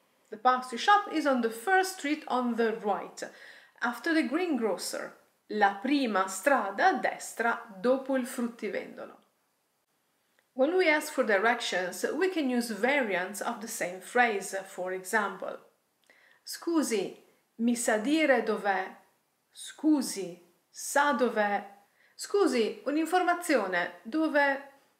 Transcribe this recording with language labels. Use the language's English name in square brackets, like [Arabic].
[English] The pastry shop is on the first street on the right, after the greengrocer. [Italian] La prima strada a destra dopo il fruttivendolo. [English] When we ask for directions, we can use variants of the same phrase, for example. [Italian] Scusi, mi sa dire dov'è? Scusi, sa dov'è? Scusi, un'informazione, dove...